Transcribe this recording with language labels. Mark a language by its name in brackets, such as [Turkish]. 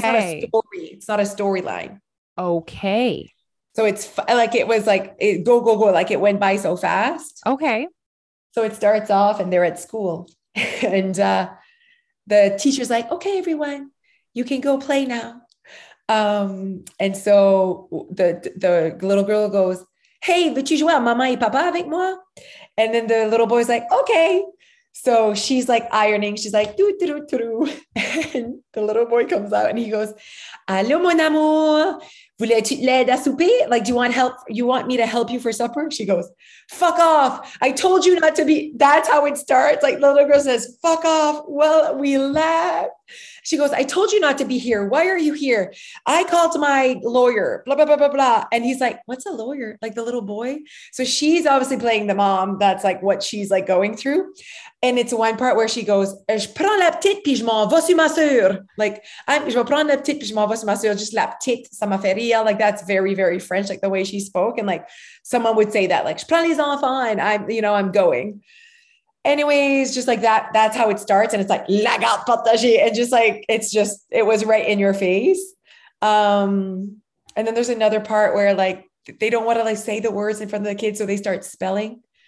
[English] Next, it's not a story. It's not a storyline. Okay. So it's like, it was like, it, go, go, go. Like it went by so fast. Okay. So it starts off and they're at school and the teacher's like, okay, everyone, you can go play now. And so the little girl goes, hey, [French] veux-tu jouer à mama et papa avec moi? [English] And then the little boy's like, okay. So she's like ironing. She's like, doo, doo, doo, doo. And the little boy comes out and he goes, [French] allô, mon amour. voulez-tu l'aide à souper? [English] Like, do you want help? You want me to help you for supper? She goes, fuck off. I told you not to be. That's how it starts. Like, the little girl says, fuck off. Well, we laugh. She goes, I told you not to be here. Why are you here? I called my lawyer, blah, blah, blah, blah, blah. And he's like, what's a lawyer? Like the little boy. So she's obviously playing the mom. That's like what she's like going through. And it's one part where she goes, [French] je prends la petite puis je m'en vais sur ma soeur. Like, je vais prendre la petite puis je m'en vais sur ma soeur. Just la petite, ça m'a fait rire. [English] Like, that's very, very French, like the way she spoke. And like, someone would say that, like, [French] je prends les enfants [English] and I'm, you know, I'm going. Anyways, just like that, that's how it starts. And it's like, [French] la garde partagée. [English] And just like, it's just, it was right in your face. And then there's another part where like, they don't want to like say the words in front of the kids. So they start spelling.